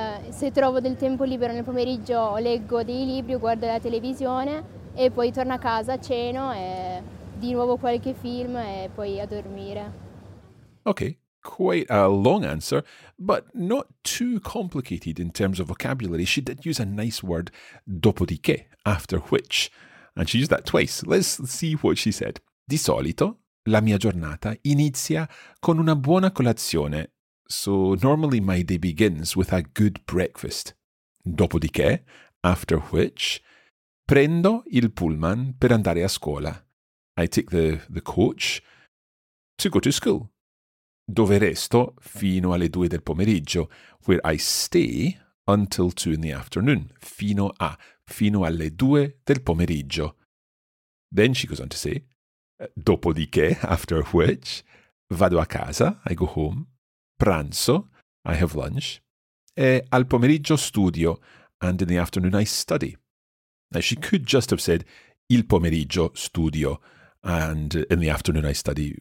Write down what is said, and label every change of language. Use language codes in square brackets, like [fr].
[it] Se trovo del tempo libero nel pomeriggio leggo dei libri, guardo la televisione e poi torno a casa, ceno e di nuovo qualche film e poi a dormire. [en] Ok. Quite a long answer, but not too complicated in terms of vocabulary. She did use a nice word, dopodiché, after which, and she used that twice. Let's see what she said. [it] Di solito, la mia giornata inizia con una buona colazione. [en] So normally my day begins with a good breakfast. [it] Dopodiché, [en] after which, [it] prendo il pullman per andare a scuola. [en] I take the coach to go to school. [it] Dove resto fino alle 2 del pomeriggio, [en] where I stay until 2 in the afternoon, [it] fino alle 2 del pomeriggio. [en] Then she goes on to say, dopodiché, after which, [it] vado a casa, [en] I go home, pranzo, I have lunch, [it] e al pomeriggio studio, [en] and in the afternoon I study. Now she could just have said, [it] il pomeriggio studio, [en] and in the afternoon I study.